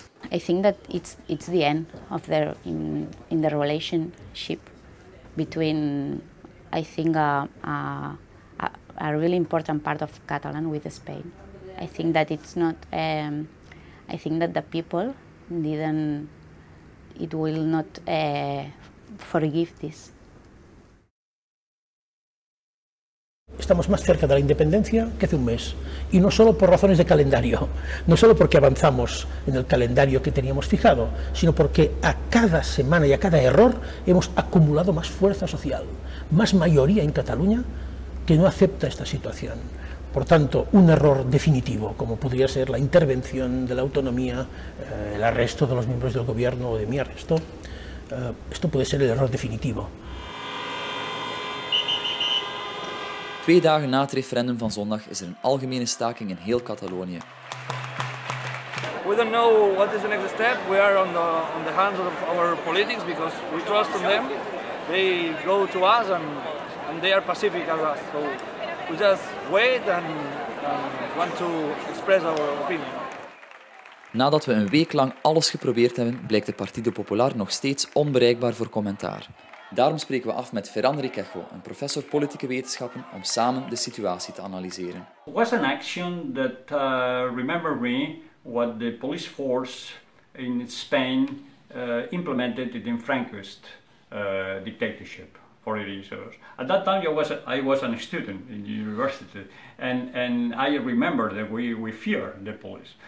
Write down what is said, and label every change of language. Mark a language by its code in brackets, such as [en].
[en] I think that it's the end of their in the relationship between, I think, a really important part of Catalan with Spain. I think that it's not, I think that the people didn't, it will not forgive this. [es] Estamos más cerca de la independencia que hace un mes, y no solo por razones de calendario, no solo porque avanzamos en el calendario que teníamos fijado, sino porque a cada semana y a cada error hemos acumulado más fuerza social, más mayoría en Cataluña que no acepta esta situación. Por tanto, un error definitivo, como podría ser la intervención de la autonomía, el arresto de los miembros del gobierno o de mi arresto, esto puede ser el error definitivo. [nl] 2 dagen na het referendum van zondag is er een algemene staking in heel Catalonië. [en] We don't know what is the next step. We are on the hands of our politics because we trust in them. They go to us and they are pacific as us. So we just wait and want to express our opinion. [nl] Nadat we een week lang alles geprobeerd hebben, blijkt de Partido Popular nog steeds onbereikbaar voor commentaar. Daarom spreken we af met Ferran Riquejo, een professor politieke wetenschappen, om samen de situatie te analyseren. [en] It was an action that remember me what the police force in Spain implemented in Franco's dictatorship, 40 years. At that time I was a student in university, and I remember that we fear the police.